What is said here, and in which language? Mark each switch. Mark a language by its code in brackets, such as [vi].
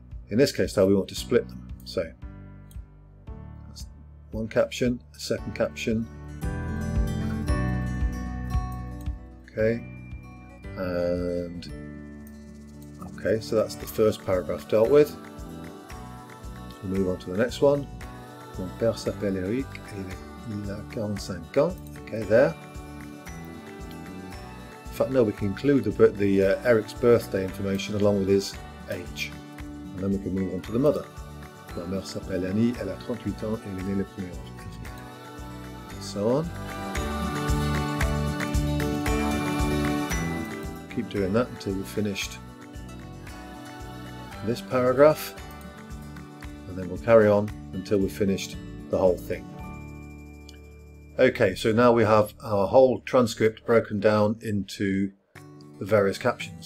[en] In this case though, we want to split them. So, one caption, a second caption, okay, and okay, so that's the first paragraph dealt with. We move on to the next one. [fr] Mon père s'appelle Eric et il a 45 ans. [en] Okay, there. In fact, no, we can include the Eric's birthday information along with his age, and then we can move on to the mother. [fr] Ma mère s'appelle Annie, elle a 38 ans et elle est née le 1er janvier. [en] So on. Keep doing that until we've finished this paragraph. And then we'll carry on until we've finished the whole thing. Okay, so now we have our whole transcript broken down into the various captions.